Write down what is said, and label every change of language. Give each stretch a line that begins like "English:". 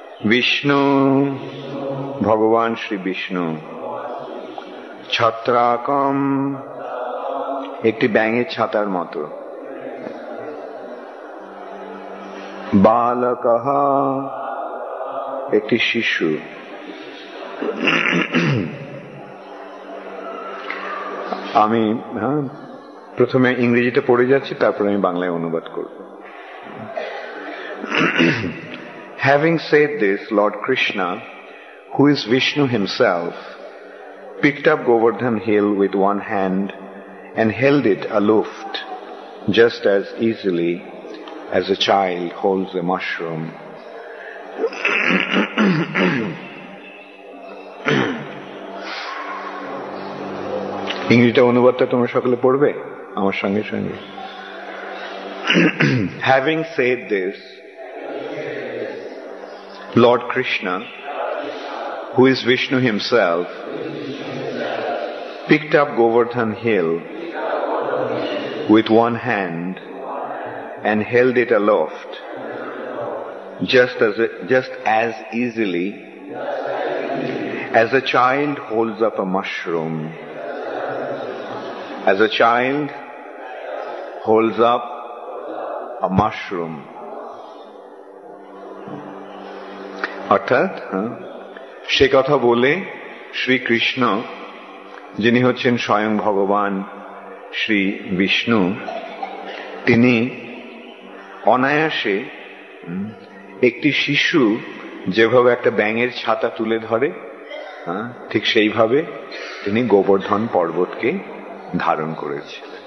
Bangla: বিষ্ণু ভগবান শ্রী বিষ্ণু, ছত্রাকম একটি ব্যাঙের ছাতার মতো, বালকহ একটি শিশু, আমি প্রথমে ইংরেজিতে পড়ে যাচ্ছি, তারপরে আমি বাংলায় অনুবাদ করব।
English: Having said this, Lord Krishna, who is Vishnu himself, picked up Govardhan Hill with one hand and held it aloft just as easily as a child holds a mushroom.
Bangla: ইংরেজিতে অনুবাদটা তোমরা সকলে পড়বে আমার সঙ্গে সঙ্গে।
English: Having said this, Lord Krishna, who is Vishnu himself, picked up Govardhan Hill with one hand and held it aloft just as easily as a child holds up a mushroom. As a child holds up a mushroom.
Bangla: অর্থাৎ সে কথা বলে শ্রীকৃষ্ণ, যিনি হচ্ছেন স্বয়ং ভগবান শ্রী বিষ্ণু, তিনি অনায়াসে একটি শিশু যেভাবে একটা ব্যাঙের ছাতা তুলে ধরে, ঠিক সেইভাবে তিনি গোবর্ধন পর্বতকে ধারণ করেছেন।